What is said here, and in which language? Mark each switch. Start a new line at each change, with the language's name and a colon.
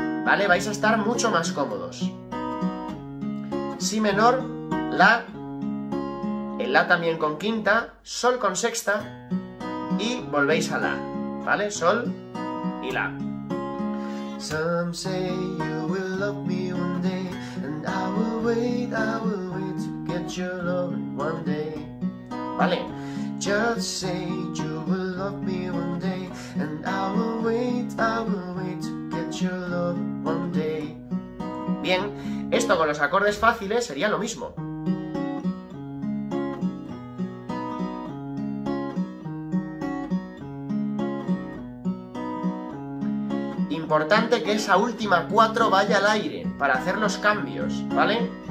Spanish: ¿Vale? Vais a estar mucho más cómodos. Si menor, la, el la también con quinta, sol con sexta y volvéis a la. ¿Vale? Sol y la.
English: Some say you will love me one day and I will wait to get your love one day.
Spanish: ¿Vale?
English: Just say you will love me one day and I will wait to get your love.
Spanish: Bien, esto con los acordes fáciles sería lo mismo. Importante que esa última 4 vaya al aire para hacer los cambios, ¿vale?